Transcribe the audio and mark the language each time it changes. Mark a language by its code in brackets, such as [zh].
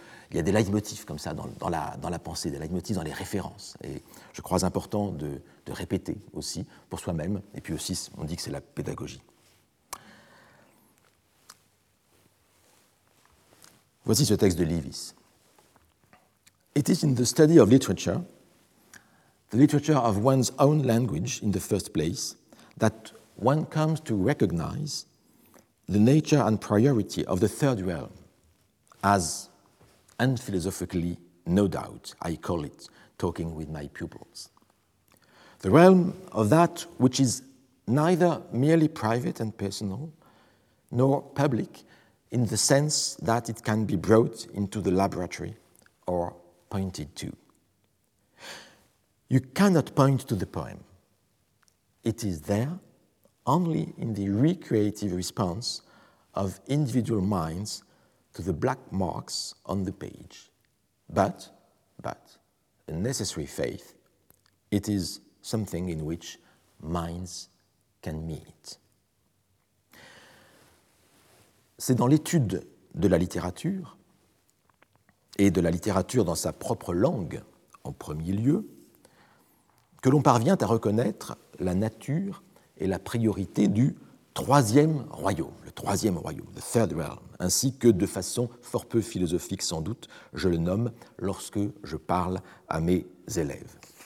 [fr] Il y a des leitmotifs comme ça dans la pensée, des leitmotifs dans les références. Et je crois important de répéter aussi pour soi-même. Et puis aussi, on dit que c'est la pédagogie. Voici ce texte de Leavis. [en] It is in the study of literature, the literature of one's own language in the first place, that one comes to recognize the nature and priority of the third realm, as unphilosophically, no doubt, I call it, talking with my pupils. The realm of that which is neither merely private and personal, nor public in the sense that it can be brought into the laboratory or pointed to. You cannot point to the poem. It is there only in the recreative response of individual minds to the black marks on the page. But a necessary faith, it is something in which minds can meet. [fr] C'est dans l'étude de la littérature et de la littérature dans sa propre langue en premier lieu que l'on parvient à reconnaître la nature et la priorité du troisième royaume, le troisième royaume, [en] the third realm, [fr] ainsi que de façon fort peu philosophique sans doute, je le nomme lorsque je parle à mes élèves.